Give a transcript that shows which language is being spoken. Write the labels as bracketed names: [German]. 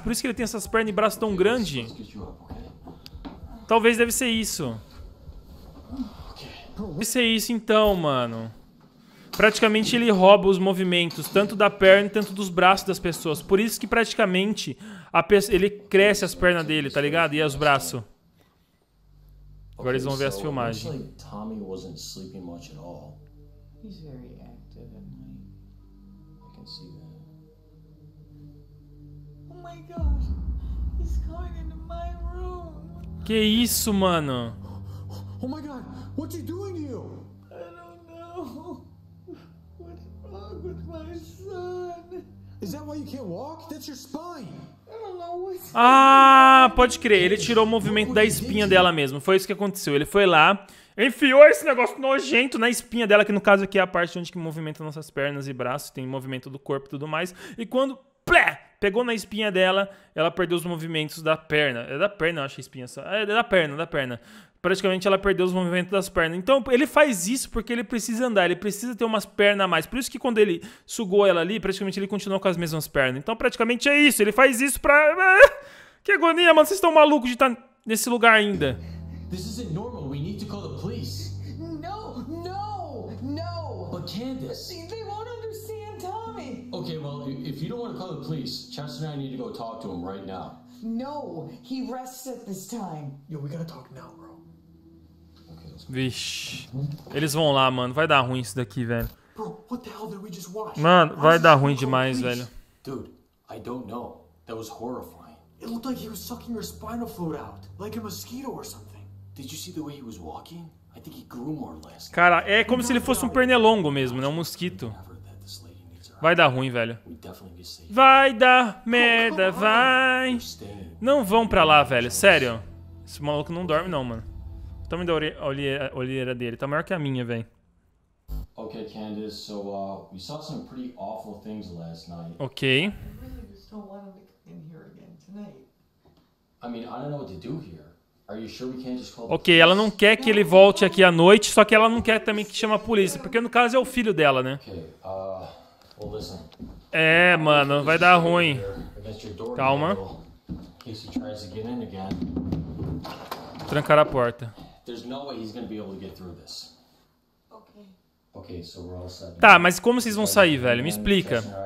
[Portuguese] Por isso que ele tem essas pernas e braço tão grande? Talvez deve ser isso. Isso é isso então, mano. Praticamente ele rouba os movimentos, tanto da perna, tanto dos braços das pessoas. Por isso que praticamente ele cresce as pernas dele, tá ligado? E os braços. Agora eles vão ver as filmagens. [English] Tommy wasn't sleeping much at all. He's very active at night. I can see that. Oh my god. He's going into my room. [Portuguese] Que isso, mano? [English] Oh my god. What are you doing here? I don't know. What's wrong with my son? Is that why you can't walk? That's your spine. [Portuguese] Ah, pode crer, ele tirou o movimento da espinha dela mesmo, foi isso que aconteceu, ele foi lá, enfiou esse negócio nojento na espinha dela, que no caso aqui é a parte onde que movimenta nossas pernas e braços, tem movimento do corpo e tudo mais, e quando, plé, pegou na espinha dela, ela perdeu os movimentos da perna, é da perna, eu acho a espinha só, é da perna, da perna. Praticamente ela perdeu os movimentos das pernas. Então ele faz isso porque ele precisa andar, ele precisa ter umas pernas a mais. Por isso que quando ele sugou ela ali, praticamente ele continuou com as mesmas pernas. Então praticamente é isso, ele faz isso pra... Que agonia, mano, vocês estão malucos de estar nesse lugar ainda. Isso não é normal, precisamos chamar a polícia. Não, não, não. Mas Candace... Eles não vão entender Tommy. [English] Ok, well, if you don't want to call the police, Chester and I need to go talk to him right now. No, he rests at this time. Yo, we gotta talk now, bro. [Portuguese] Vixe, eles vão lá, mano. Vai dar ruim isso daqui, velho. [English] Bro, what the hell did we just watch? [Portuguese] Mano, vai dar ruim demais, oh, velho. [English] Dude, I don't know. That was horrifying. It looked like he was sucking your spinal fluid out, like a mosquito or something. Did you see the way he was walking? I think he grew more or less. [Portuguese] Cara, é como se ele fosse um pernilongo mesmo, né? Um mosquito. Vai dar ruim, velho. Vai dar merda, vai. Não vão pra lá, velho. Sério. Esse maluco não dorme, não, mano. Tá me dando olheira dele, tá maior que a minha, velho. [English] Okay, Candace, so we saw some pretty awful things last night. Okay. I really just don't want him to come in here again tonight. I mean, I don't know what to do here. Are you sure we can't just call? [Portuguese] Okay, ela não quer que ele volte aqui à noite, só que ela não quer também que chame a polícia, porque no caso é o filho dela, né? [English] Okay. Well, listen. [Portuguese] É, mano, vai dar ruim. Calma. [English] Casey tries to get in again. [Portuguese] Trancar a porta. [English] There's no way he's gonna be able to get through this. Okay. Okay, so we're all set. [Portuguese] Tá, mas como vocês vão sair, velho? Me explica.